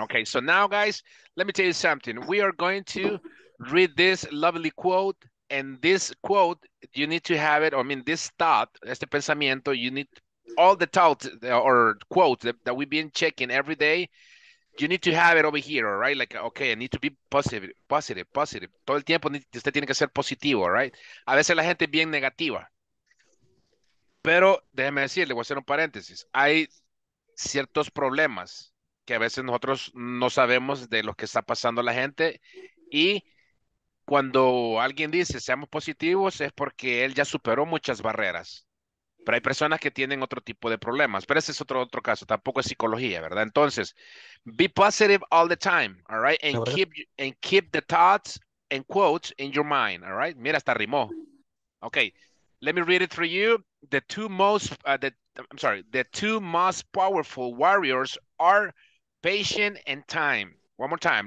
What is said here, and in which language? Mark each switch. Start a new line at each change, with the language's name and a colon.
English: Okay, so now guys, let me tell you something. We are going to read this lovely quote, and this quote, you need to have it, or I mean this thought,
Spanish: este pensamiento,
English: you need all the thoughts or quotes that we've been checking every day. You need to have it over here, all right? Like, okay, I need to be positive.
Spanish: Todo el tiempo usted tiene que ser positivo,
English: all right?
Spanish: A veces la gente es bien negativa. Pero déjeme decirle, voy a hacer un paréntesis. Hay ciertos problemas que a veces nosotros no sabemos de lo que está pasando la gente. Y cuando alguien dice, seamos positivos, es porque él ya superó muchas barreras. Pero hay personas que tienen otro tipo de problemas. Pero ese es otro caso. Tampoco es psicología, ¿verdad?
English: Entonces, be positive all the time, all right? And keep the thoughts and quotes in your mind, all right?
Spanish: Mira, hasta rimó.
English: Okay, let me read it for you. The two most powerful warriors are patience and time. One more time.